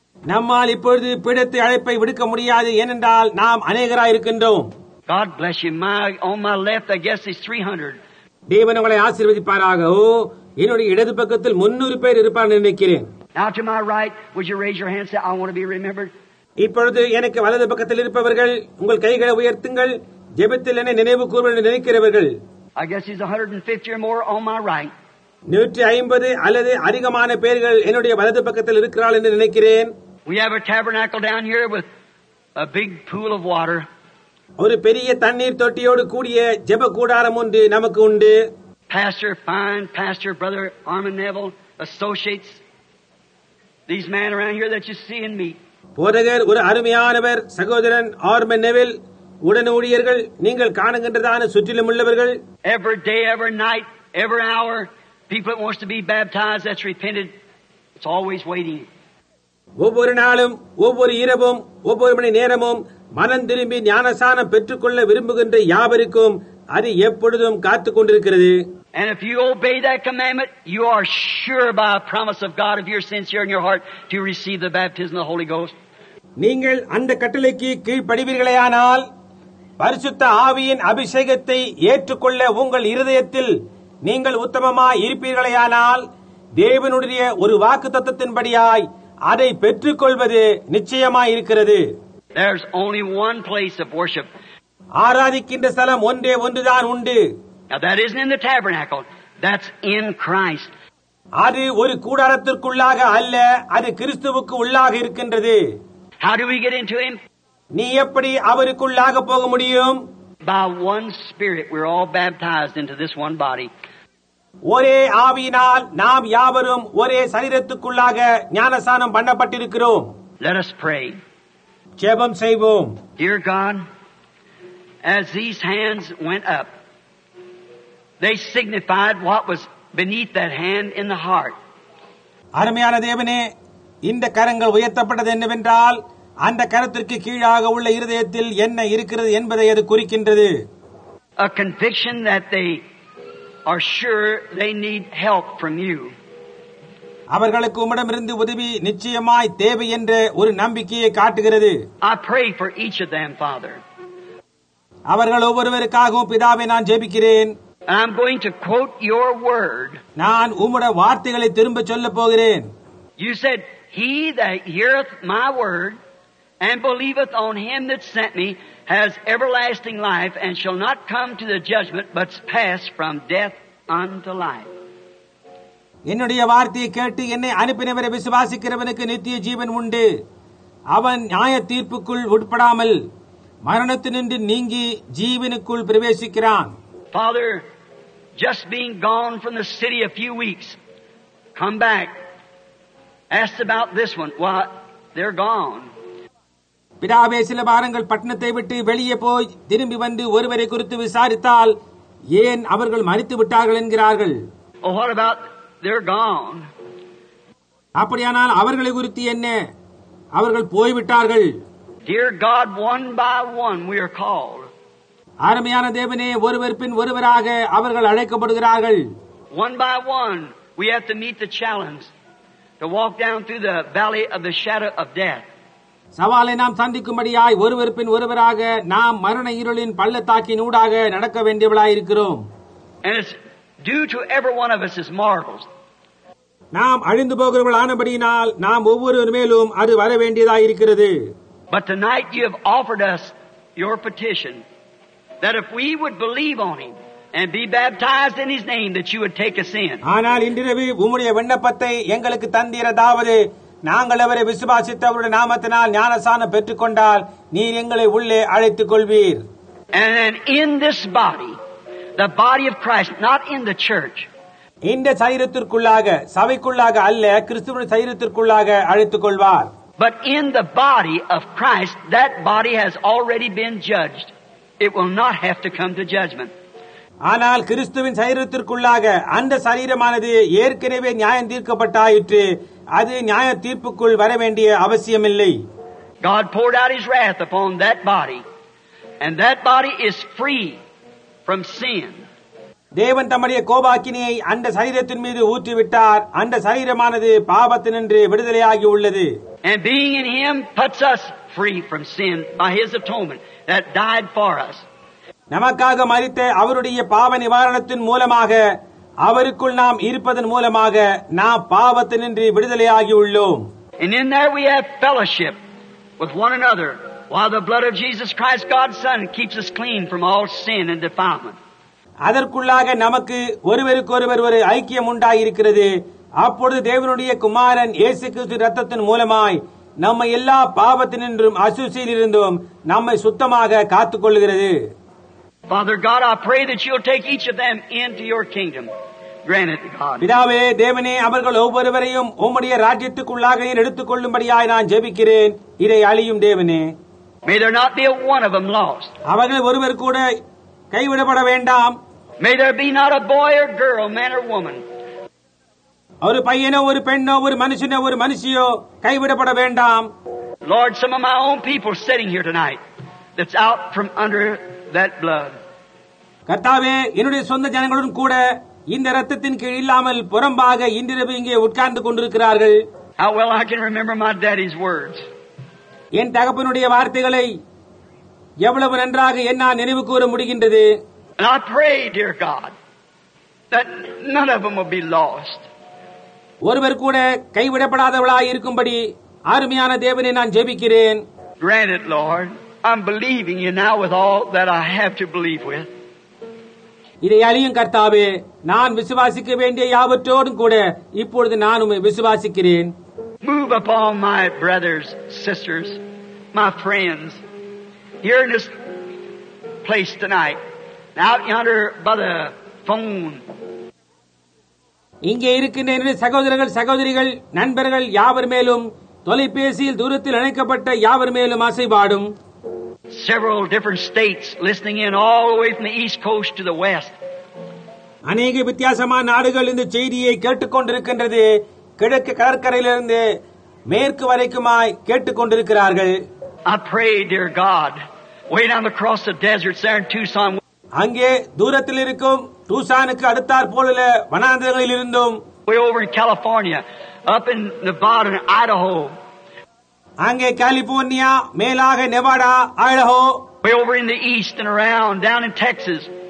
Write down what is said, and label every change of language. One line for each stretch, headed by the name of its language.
Tamil: நம்மால் இப்பொழுது பீடத்தை அழைப்பை விடுக்க முடியாது, ஏனென்றால் நாம் அநேகராயிருக்கின்றோம்.
English: God bless you. On my left, I guess it's 300.
Tamil: தேவன் உங்களை ஆசீர்வதிப்பாராக. என்னுடைய இடது பக்கத்தில் 300 பேர் இருப்பார் நினைக்கிறேன்.
English: Now to my right, would you raise your hand, say, I want to be remembered?
Tamil: இப்பொழுது எனக்கு வலது பக்கத்தில் இருப்பவர்கள் உங்கள் கைகளை உயர்த்துங்கள், ஜெபத்தில் என்ன நினைவு கூறுவது நினைக்கிறவர்கள்.
English: I guess he's 150 or more on my right.
Tamil: 150 அல்லது அதிகமான பேர்கள் என்னுடைய வலது பக்கத்தில் இருக்கிறார்கள் என்று நினைக்கிறேன்.
English: We have a tabernacle down here with a big pool of water.
Tamil: ஒரு பெரிய தண்ணீர் தொட்டியோடு கூடிய ஜெப கூடாரம் ஒன்று நமக்கு உண்டு.
English: Pastor Fine, Pastor Brother Armin Neville associates these men around here that you see and meet.
Tamil: போதகர் ஒரு அருமையானவர், சகோதரன் ஆர்மன் நெவில், உடன் ஊழியர்கள் நீங்கள் காணுகின்றதான சுற்றிலும் உள்ளவர்கள்.
English: Every day, every night, every hour, people that wants to be baptized, that's repented, it's always waiting.
Tamil: ஒவ்வொரு நாளும், ஒவ்வொரு இரவும், ஒவ்வொரு மணி நேரமும் மனம் திரும்பி ஞானசானம் பெற்றுக் கொள்ள விரும்புகின்ற யாவருக்கும் அது எப்பொழுதும் காத்துக் கொண்டிருக்கிறது.
English: And if you obey that commandment, you are sure by a promise of God, if you're sincere in your heart, to receive the baptism of the Holy Ghost.
Tamil: நீங்கள் அந்த கட்டளைக்கு கீழ்ப்படிவீர்களேயானால் பரிசுத்த ஆவியின் அபிஷேகத்தை ஏற்றுக்கொள்ள உங்கள் இருதயத்தில் நீங்கள் உத்தமமாய் இருப்பீர்களேயானால் தேவனுடைய ஒரு வாக்கு தத்துவத்தின்படியாய் அதை பெற்றுக் கொள்வது நிச்சயமாயிருக்கிறது.
English: There's only one place of worship.
Tamil: ஆராதிக்கின்ற ஸ்தலம் ஒன்றே ஒன்றுதான் உண்டு.
English: Now that isn't in the tabernacle. That's in Christ.
Tamil: அது ஒரு கூடாரத்திற்குள்ளாக அல்ல, அது கிறிஸ்துவுக்கு உள்ளாக இருக்கின்றது.
English: How do we get into him?
Tamil: நீ எப்படி அவருக்குள்ளாக போக முடியும்?
English: By one spirit we're all baptized into this one body.
Tamil: ஒரே ஆவியினால் நாம் யாவரும் ஒரே சரீரத்துக்குள்ளாக ஞானஸ்நானம் பண்ணப்பட்டிருக்கிறோம்.
English: Let us pray.
Tamil: ஜெபம் செய்வோம்.
English: Dear God, as these hands went up, they signified what was beneath that hand in the heart.
Tamil: அருமையான தேவனே, இந்த கரங்கள் உயர்த்தப்பட்டது என்னவென்றால் அந்த கரத்திற்கு கீழாக உள்ள இருதயத்தில் என்ன இருக்கிறது என்பதை அது குறிக்கின்றது.
English: A conviction that they are sure they need help from you.
Tamil: அவர்களுக்கு உம்மிடமிருந்து உதவி நிச்சயமாய் தேவை என்ற ஒரு நம்பிக்கையை காட்டுகிறது.
English: I pray for each of them, Father.
Tamil: அவர்கள் ஒவ்வொருவருக்காகவும் பிதாவே நான் ஜெபிக்கிறேன்.
English: And I'm going to quote your word.
Tamil: நான் உம்முடைய வார்த்தைகளை திரும்ப சொல்ல போகிறேன்.
English: You said, "He that heareth my word and believeth on him that sent me has everlasting life and shall not come to the judgment but pass from death unto life."
Tamil: என்னுடைய வார்த்தையை கேட்டு என்னை அனுப்பினவரை விசுவாசிக்கிறவனுக்கு நித்திய ஜீவன் உண்டு. அவன் நியாய தீர்ப்புக்குள் உட்படாமல் மரணத்தினின்று நீங்கி ஜீவனுக்குள் பிரவேசிக்கிறான்.
English: Father, just being gone from the city a few weeks, come back. Ask about this one. Well, they're gone.
Tamil: பிதாவே, சில வாரங்கள் பட்டணத்தை விட்டு வெளியே போய் திரும்பி வந்து ஒருவரை குறித்து விசாரித்தால் ஏன் அவர்கள் மறித்து விட்டார்கள் என்கிறார்கள்.
English: Oh, what about they're gone?
Tamil: அப்படியானால் அவர்களை குறித்து என்ன? அவர்கள் போய்விட்டார்கள்.
English: Dear God, one by one we are called.
Tamil: அருமையான தேவனே, ஒருவர் பின் ஒருவராக அவர்கள் அழைக்கப்படுகிறார்கள்.
English: One by one we have to meet the challenge to walk down through the valley of the shadow of death.
Tamil: சவாலை நாம் சந்திக்கும்படியாய் ஒருவர் பின் ஒருவராக நாம் மரண இருளின் பள்ளத்தாக்கின் ஊடாக நடக்க வேண்டியவளாயிருக்கிறோம்.
English: And it's due to every one of us as mortals.
Tamil: நாம் அழிந்து போகிறவர்களானபடியினால் நாம் ஒவ்வொருவருமேலும் அது வர வேண்டியதாயிருக்கிறது.
English: But tonight you have offered us your petition. That if we would believe on him and be baptized in his name, that you would take us in.
Tamil: ஆனால் இன்றுவே உம்முடைய விண்ணப்பத்தை எங்களுக்கு தந்தீரதாவது, நாங்கள் அவரை விசுவாசித்து அவருடைய நாமத்தினால் ஞானஸ்நானம் பெற்றுக் கொண்டால் நீர் எங்களை உள்ளே அழைத்துக் கொள்வீர்.
English: And then in this body, the body of Christ, not in the church.
Tamil: இந்த சரீரத்திற்குள்ளாக, சபைக்குள்ளாக அல்ல, கிறிஸ்துவின் சரீரத்திற்குள்ளாக அழைத்துக் கொள்வார்.
English: But in the body of Christ, that body has already been judged. It will not have to come to judgment.
Tamil: ஆனால் கிறிஸ்துவின் சரீரத்திற்குள்ளாக அந்த சரீரமானது ஏற்கனவே நியாயம் தீர்க்கப்பட்டாயிற்று. அது நியாய தீர்ப்புக்குள் வர வேண்டிய அவசியம் இல்லை.
English: God poured out his wrath upon that body, and that body is free from sin.
Tamil: தேவன் தம்முடைய கோபாக்கினியை அந்த சரீரத்தின் மீது ஊற்றிவிட்டார். அந்த சரீரமானது பாவத்தினின்று விடுதலையாகி உள்ளது.
English: And being in him puts us free from sin by his atonement. That died for us.
Tamil: நமக்காக மரித்த அவருடைய பாவ நிவாரணத்தின் மூலமாக, அவருக்குள் நாம் இருப்பதன் மூலமாக நாம் பாவத்தினின்று விடுதலையாகி உள்ளோம்.
English: And in there we have fellowship with one another while the blood of Jesus Christ God's Son keeps us clean from all sin and defilement.
Tamil: அதற்குள்ளாக நமக்கு ஒருவருக்கொருவர் ஒரு ஐக்கியம் உண்டாயிருக்கிறது. அப்பொழுது தேவனுடைய குமாரன் இயேசு கிறிஸ்து ரத்தத்தின் மூலமாய் நம்மை எல்லா பாவத்தினின்றும் அசுசியில் இருந்தும் நம்மை சுத்தமாக காத்துக் கொள்கிறது.
English: Father God, I pray that you'll take each of them into your kingdom. Grant it, God.
Tamil: பிதாவே, தேவனே, அவர்கள் ஒவ்வொருவரையும் உம்முடைய ராஜ்யத்துக்குள்ளாக எடுத்துக் கொள்ளும்படியாய் நான் ஜெபிக்கிறேன். இதை அழியும் தேவனே.
English: May there not be one of them lost.
Tamil: அவர்கள் ஒருவர் கூட கைவிடப்பட வேண்டாம்.
English: May there be not a boy or girl, man or woman.
Tamil: ஒரு பையனோ, ஒரு பெண்ணோ, ஒரு மனுஷனோ, ஒரு மனுஷியோ கைவிடப்பட வேண்டாம்.
English: Lord, some of my own people sitting here tonight that's out from under that blood.
Tamil: கர்த்தாவே, என்னுடைய சொந்த ஜனங்களுடன் கூட இந்த ரத்தத்தின் கீழ் இல்லாமல் புறம்பாக இன்றிரவு இங்கே உட்கார்ந்து கொண்டிருக்கிறார்கள்.
English: How well I can remember my daddy's words.
Tamil: என் தகப்பனுடைய வார்த்தைகளை எவ்வளவு நன்றாக என்னால் நினைவு கூற முடிகின்றது.
English: And I pray, dear God, that none of them will be lost.
Tamil: ஒருவர் கூட கைவிடப்படாதவளாய் இருக்கும்படி அருமையான தேவனை நான் ஜெபிக்கிறேன்.
English: Grant it, Lord. I'm believing you now with all that I have to believe with.
Tamil: இதை அறியும் கர்த்தாவே, நான் விசுவாசிக்க வேண்டிய யாவற்றோடும் கூட இப்பொழுது நான் உம்மை விசுவாசிக்கிறேன்.
English: Move upon my brothers, sisters, my friends here in this place tonight. Out yonder by the phone.
Tamil: இங்கே இருக்கின்ற சகோதரர்கள், சகோதரிகள், நண்பர்கள் யாவர் மேலும், தொலைபேசியில் தூரத்தில் அழைக்கப்பட்ட யாவர் மேலும் ஆசைபாடும்.
English: Several different states listening in all the way from the east coast to the west.
Tamil: அநேக வித்தியாசமான நாடுகள் இந்த செய்தியை கேட்டுக்கொண்டிருக்கின்றது. கிழக்கு கடற்கரையிலிருந்து மேற்கு வரைக்குமாய் கேட்டுக்கொண்டிருக்கிறார்கள்.
English: I pray, dear God, way down across the deserts there in Tucson.
Tamil: அங்கே தூரத்தில் இருக்கும் டூசானுக்கு அடுத்தாற் போல வனாந்தரங்களில் இருந்தும், way over in California, up in Nevada and Idaho. அங்கே கலிபோர்னியா, மேலாக Nevada, ஐடஹோ,
English: way over in the east and around down in Texas.